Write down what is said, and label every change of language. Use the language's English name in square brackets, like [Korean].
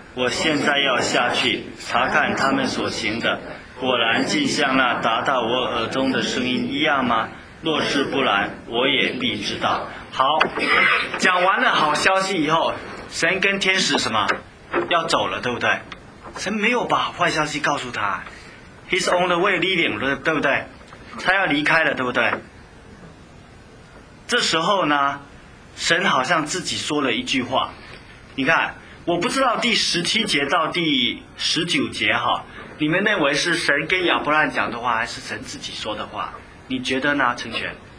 [Chinese] 我现在要下去查看他们所行的，果然竟像那达到我耳中的声音一样吗？若是不然，我也必知道。好，讲完了好消息以后，神跟天使什么要走了，对不对？神没有把坏消息告诉他。 [English] He's on the way leaving，对不对？ [Chinese] 他要离开了，对不对？这时候呢，神好像自己说了一句话。你看，我不知道第十七节到第十九节哈，你们认为是神跟亚伯拉罕讲的话，还是神自己说的话？你觉得呢，成全？